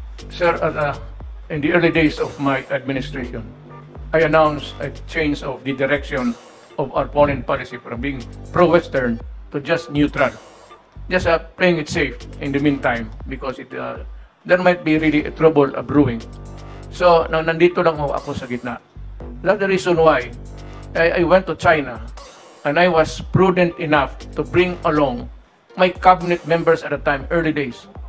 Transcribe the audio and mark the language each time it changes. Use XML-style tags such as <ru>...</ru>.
<en>Sir, in the early days of my administration, I announced a change of the direction of our foreign policy from being pro-Western to just neutral. Just playing it safe in the meantime because it there might be really a trouble brewing.</en> <tl>So, nandito lang ako sa gitna.</tl> <en>That's the reason why I went to China and I was prudent enough to bring along my cabinet members at the time, early days.</en>